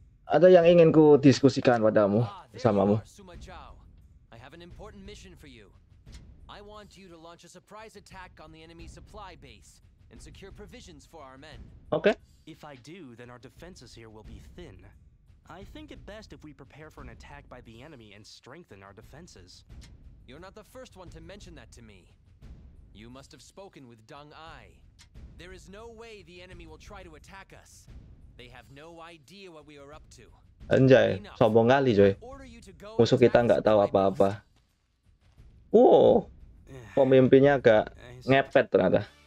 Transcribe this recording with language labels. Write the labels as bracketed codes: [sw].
[id] Ada yang ingin ku diskusikan padamu, samamu. [en] I have an important mission for you. I want you to launch a surprise attack on the enemy supply base and secure provisions for our men. Okay. If I do, then our defenses here will be thin. I think it best if we prepare for an attack by the enemy and strengthen our defenses. You're not the first one to mention that to me. You must have spoken with Deng Ai. There is no way the enemy will try to attack us. They have no idea what we are up to. [id] Anjay, sombong kali, coy. Musuh kita nggak tahu apa-apa. Wow, pemimpinnya agak ngepet ternyata.